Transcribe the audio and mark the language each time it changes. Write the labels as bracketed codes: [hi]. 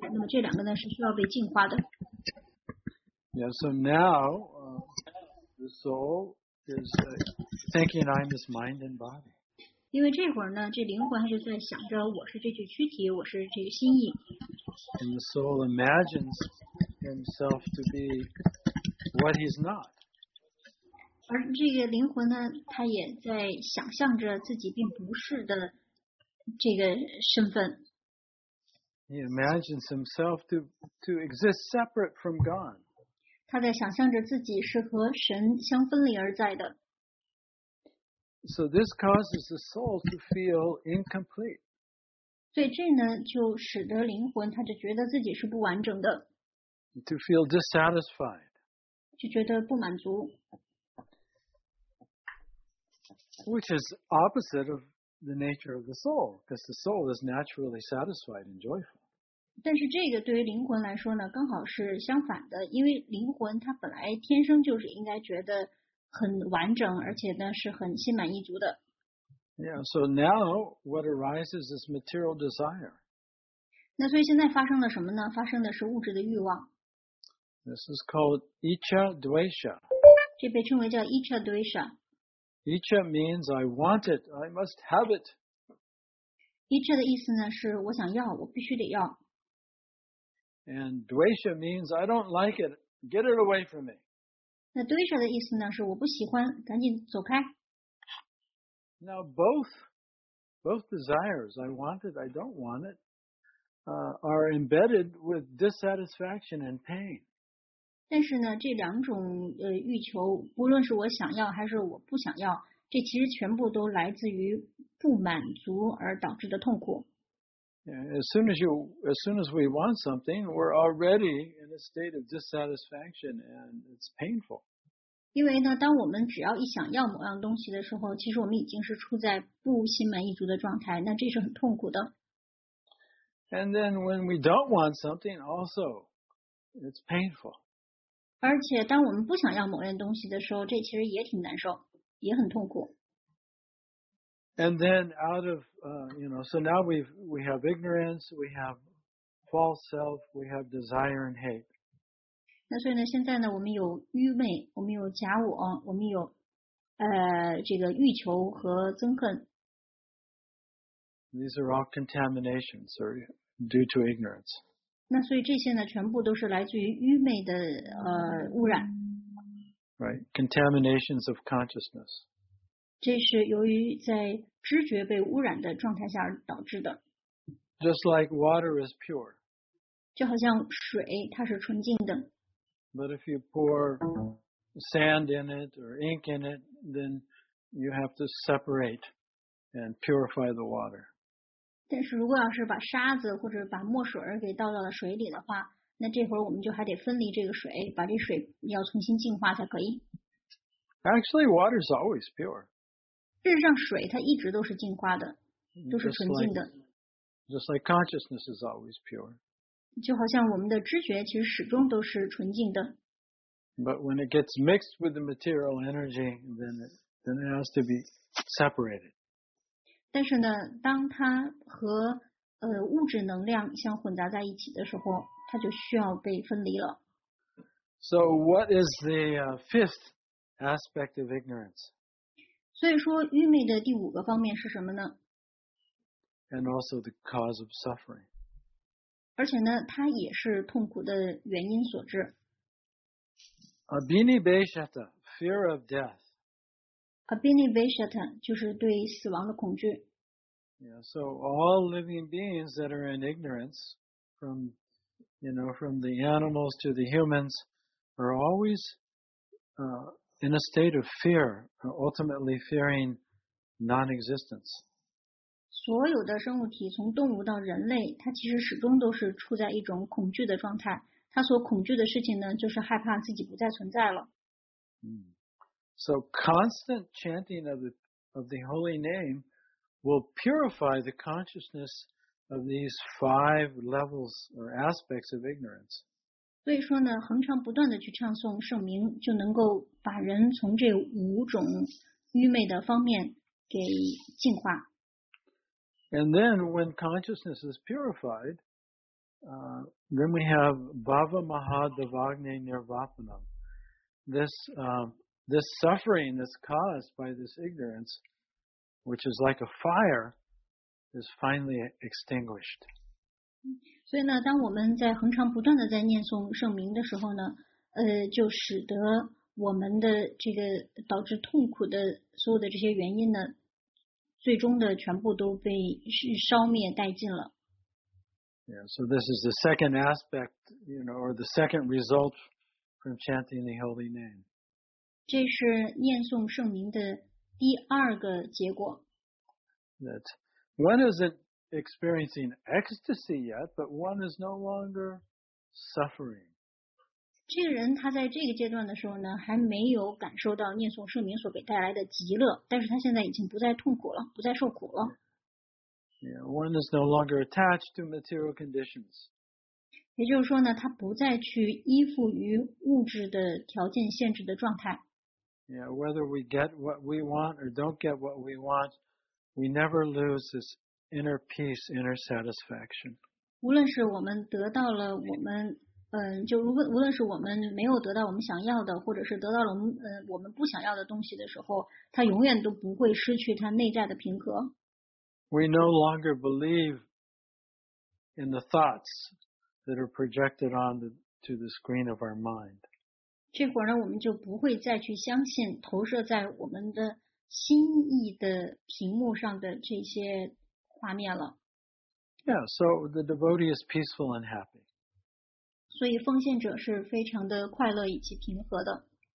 [zh] 那么这两个呢，是需要被净化的。 [en] Yeah, so now, the soul is thinking I'm this mind and body. [zh] 因为这会儿呢，这灵魂就在想着我是这具躯体，我是这个心意。 [en] And the soul imagines himself to be what he's not. [zh] 而这个灵魂呢，他也在想象着自己并不是的这个身份。 [en] He imagines himself to exist separate from God. [zh] 他在想象着自己是和神相分离而在的。 [en] So this causes the soul to feel incomplete. [zh] 所以这呢，就使得灵魂他就觉得自己是不完整的。 [en] To feel dissatisfied. [zh] 就觉得不满足。 [en] Which is opposite of the nature of the soul, because the soul is naturally satisfied and joyful. [zh] 但是这个对于灵魂来说呢，刚好是相反的，因为灵魂它本来天生就是应该觉得很完整，而且呢是很心满意足的。 [en] Yeah, so now what arises is material desire. [zh] 那所以现在发生了什么呢？发生的是物质的欲望。 [en] This is called Icha Dvesha. [zh] 这被称为叫 Icha Dvesha. [en] Icha means I want it, I must have it. [zh] Icha 的意思呢是我想要，我必须得要。 [en] And dvesha means I don't like it. Get it away from me. [zh] 那 dvesha 的意思呢是我不喜欢，赶紧走开。 [en] Now both desires, I want it, I don't want it, are embedded with dissatisfaction and pain. [zh] 但是呢，这两种欲求，不论是我想要还是我不想要，这其实全部都来自于不满足而导致的痛苦。 [en] As soon as we want something, we're already in a state of dissatisfaction and it's painful. [zh] 因为呢，当我们只要一想要某样东西的时候，其实我们已经是处在不心满意足的状态，那这是很痛苦的。 [en] And then when we don't want something, also, it's painful. [zh] 而且当我们不想要某样东西的时候，这其实也挺难受，也很痛苦。 [en] And then out of, you know, so now we have ignorance, we have false self, we have desire and hate. [zh] 那所以呢，现在呢，我们有愚昧，我们有假我，我们有这个欲求和憎恨。 [en] These are all contaminations or due to ignorance. [zh] 那所以这些呢，全部都是来自于愚昧的污染。 [en] Right, contaminations of consciousness. [zh] 这是由于在知觉被污染的状态下导致的。 [en] Just like water is pure. [zh] 就好像水，它是纯净的。 [en] But if you pour sand in it or ink in it, then you have to separate and purify the water. [zh] 但是如果要是把沙子或者把墨水给倒到了水里的话，那这会儿我们就还得分离这个水，把这水要重新净化才可以。 [en] Actually, water is always pure. [zh] 事实上，水它一直都是净化的，都是纯净的。 [en] Just like consciousness is always pure. [zh] 就好像我们的知觉其实始终都是纯净的。 [en] But when it gets mixed with the material energy, then it has to be separated. [zh] 但是呢，当它和物质能量相混杂在一起的时候，它就需要被分离了。 [en] So what is the fifth aspect of ignorance? [zh] 所以说，愚昧的第五个方面是什么呢？ [en] And also the cause of suffering. [zh] 而且呢，它也是痛苦的原因所致。 [en] Abhinivesata, fear of death. [zh] Abhinivesata 就是对死亡的恐惧。 [en] Yeah, so all living beings that are in ignorance, from the animals to the humans, are always in a state of fear, ultimately fearing non-existence. [zh] 所有的生物体从动物到人类它其实始终都是处在一种恐惧的状态它所恐惧的事情呢就是害怕自己不再存在了、 [en] So constant chanting of the holy name will purify the consciousness of these five levels or aspects of ignorance [zh] 所以说呢恒常不断的去唱诵圣名就能够把人从这五种愚昧的方面给净化 [en] And then when consciousness is purified, then we have bhava maha devagne nirvapanam. This suffering that's caused by this ignorance, which is like a fire, is finally extinguished. [zh] 所以呢，当我们在恒常不断的在念诵圣名的时候呢，就使得我们的这个导致痛苦的所有的这些原因呢。最终的全部都被烧灭殆尽了。 [en] Yeah, so this is the second aspect, or the second result from chanting the holy name. [zh] 这是念诵圣名的第二个结果。 [en] That one isn't experiencing ecstasy yet, but one is no longer suffering. [zh] 这个人他在这个阶段的时候呢还没有感受到念诵圣名所给带来的极乐但是他现在已经不再痛苦了不再受苦了。 [en] Yeah, one is no longer attached to material conditions. [zh] 也就是说呢他不再去依附于物质的条件限制的状态。 [en] Yeah, whether we get what we want or don't get what we want, we never lose this inner peace, inner satisfaction. [zh] 无论是我们得到了我们就无论是我们没有得到我们想要的，或者是得到了我们不想要的东西的时候，他永远都不会失去他内在的平和。 [en] We no longer believe in the thoughts that are projected onto the screen of our mind. [zh] 这会儿呢，我们就不会再去相信投射在我们的心意的屏幕上的这些画面了。 [en] Yeah, so the devotee is peaceful and happy. [zh] 所以奉献者是非常的快乐以及平和的。